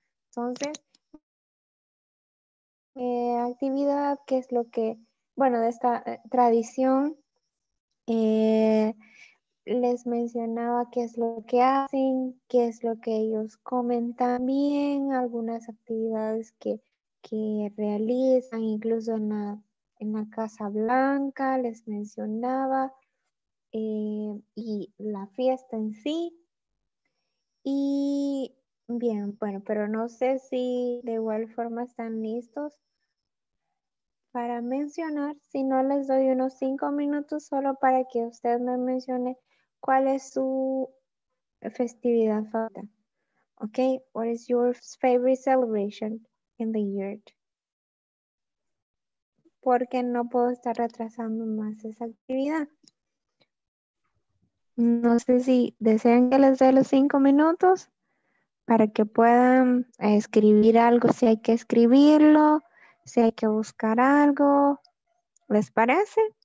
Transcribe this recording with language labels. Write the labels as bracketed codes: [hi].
[es] Entonces, actividad, que es lo que, bueno, de esta tradición, les mencionaba qué es lo que hacen, qué es lo que ellos comen también, algunas actividades que realizan, incluso en la Casa Blanca, les mencionaba, y la fiesta en sí. Y bien, bueno, pero no sé si de igual forma están listos para mencionar, si no les doy unos 5 minutos solo para que usted me mencione. ¿Cuál es su festividad favorita? [en] Okay, what is your favorite celebration in the year? [es] Porque no puedo estar retrasando más esa actividad. No sé si desean que les dé los 5 minutos para que puedan escribir algo, si hay que escribirlo, si hay que buscar algo. ¿Les parece?